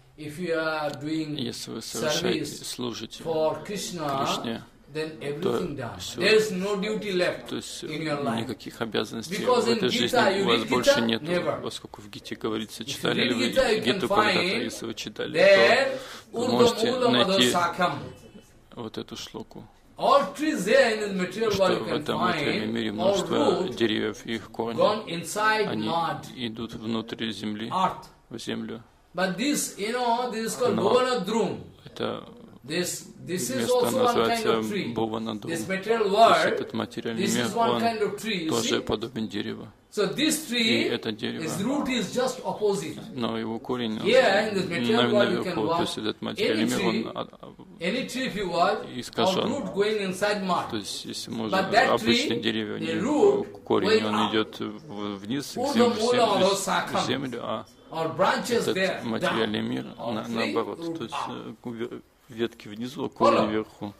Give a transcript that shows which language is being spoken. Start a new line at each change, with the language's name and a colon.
English: If you are doing service for Krishna, then everything done. There is no duty left in your life.
Russian: Никаких обязанностей в этой жизни у вас больше нет, поскольку в Гите говорится, читали ли вы Гиту когда-то, если вы читали, то можете найти вот эту шлоку.
English: All trees there in the material world can find
Russian: Что в этом мире множество деревьев и их корни. Они идут внутрь земли, в землю.
English: But this, you know, this is called Bhuvanadrum.
Russian: Это
English: this is also a kind of tree. This material world.
Russian: То есть этот материальный мир, он тоже подобен дереву.
English: So this tree, its root is just opposite.
Russian: Но его корень наверху, то есть этот материальный мир, он искажен. То есть если можно обычные деревья, корень он идет вниз к земле, а этот материальный мир наоборот, то есть ветки внизу, корни вверху.